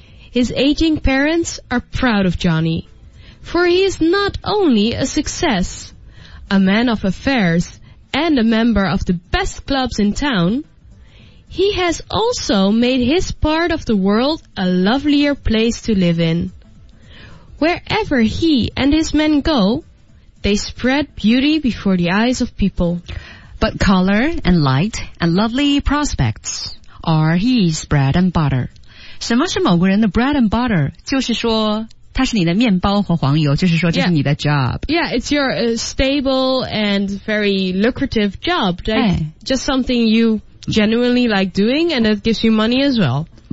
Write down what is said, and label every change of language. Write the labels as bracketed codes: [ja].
[en] His aging parents are proud of Johnny, for he is not only a success, a man of affairs, and a member of the best clubs in town, he has also made his part of the world a lovelier place to live in. Wherever he and his men go, they spread beauty before the eyes of people. But color and light and lovely prospects are his bread and butter. [zh] 什么是某个人的 [en] bread and butter? [zh] 就是说他是你的面包和黄油就是说这是你的 job. [en] Yeah, it's your stable and very lucrative job. Hey, just something you genuinely like doing and it gives you money as well.